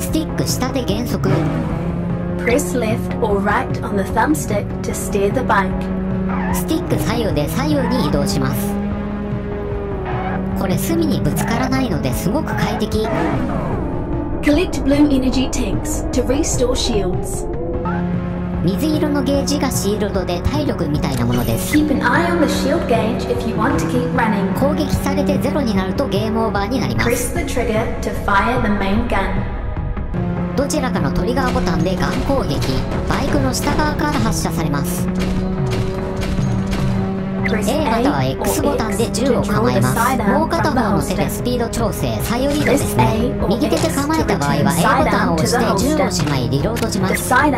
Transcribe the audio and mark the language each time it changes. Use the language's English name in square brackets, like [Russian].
[Japanese] スティック下で減速。 [English] プレスリフトオーライトオンザサムスティックトゥスティアザバイク。 [Japanese] スティック左右で左右に移動します。これ隅にぶつからないのですごく快適。 [English] Collect blue energy tanks to restore shields. [Japanese] 水色のゲージがシールドで体力みたいなものです。 [English] Keep an eye on the shield gauge if you want to keep running. [Japanese] 攻撃されてゼロになるとゲームオーバーになります。 [English] Press the trigger to fire the main gun. [Japanese] どちらかのトリガーボタンでガン攻撃、バイクの下側から発射されます。 A または X ボタンで銃を構えます。もう片方の手でスピード調整、左右移動ですね。右手で構えた場合は A ボタンを押して銃をしまいリロードします。